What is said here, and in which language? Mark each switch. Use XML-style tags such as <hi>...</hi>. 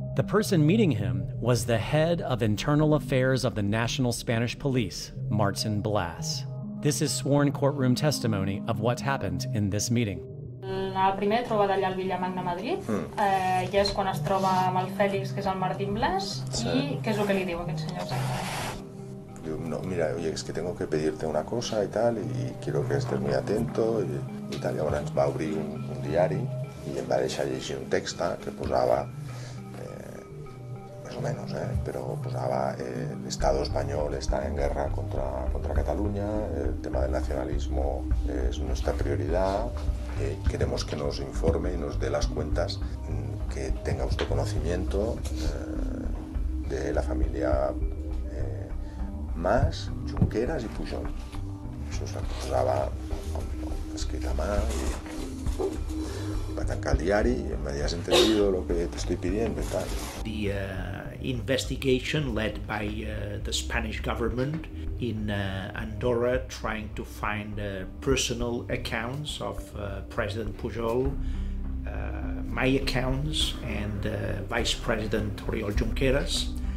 <en>The person meeting him was the head of internal affairs of the National Spanish Police, Martin Blas. This is sworn courtroom testimony of what happened in this meeting.</en> <ca>La primera trobada allà al Villamagna Madrid, ja és quan es troba amb el Félix, que és el Martin Blas, sí. I què és el que li diu aquest senyor exactament?</ca> <es>No, mira, oye, es que tengo que pedirte una cosa y tal, y quiero que estés muy atento y tal. Y ahora me va a abrir un diario y me va a dejar allí un texto que posaba, más o menos, pero posaba el Estado español está en guerra contra Cataluña, el tema del nacionalismo es nuestra prioridad, queremos que nos informe y nos dé las cuentas que tenga usted conocimiento de la familia Mas, Junqueras y Pujol. Eso se acordaba escrita más y va a tancar el diario y me has entendido lo que te estoy pidiendo y tal.</es> <en>The investigation led by the Spanish government in Andorra trying to find personal accounts of President Pujol, my accounts and Vice President Oriol Junqueras.</en>